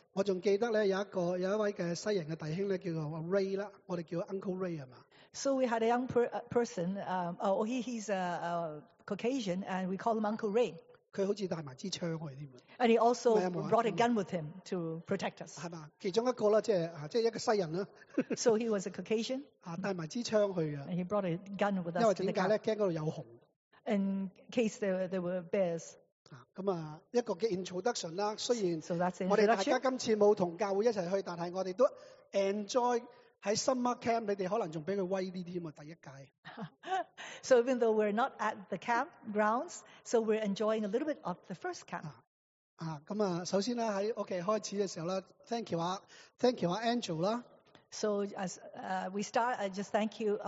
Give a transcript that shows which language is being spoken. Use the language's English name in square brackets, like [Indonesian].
[Cantonese] 我仲記得咧，有一位嘅西人嘅弟兄咧，叫做 Ray 啦，我哋叫 Uncle Ray 係嘛？ [English] So we had a young person, he's a Caucasian, and we call him Uncle Ray. [Cantonese] 佢好似帶埋支槍喎，添。 [English] And he also brought a gun with him to protect us. [Cantonese] 係嘛？其中一個啦，即係一個西人啦。 [English] So he was a Caucasian. [Cantonese] 啊，帶埋支槍去啊。 [English] And he brought a gun with us. [Cantonese] 因為點解咧？驚嗰度有熊。 [English] In case there were bears. [Cantonese] 啊，咁啊，一個嘅 introduction 啦。雖然我哋大家今次冇同教會一齊去，但係我哋都 enjoy。在 summer camp, 你哋可能仲比佢威啲添啊！第一屆。 [English] So even though we're not at the campgrounds, so we're enjoying a little bit of the first camp. [Cantonese] 咁啊，首先咧喺屋企開始嘅時候咧 ， [English] thank you [Cantonese] 啊 Andrew 啦。 [English] So as we start, I just thank you.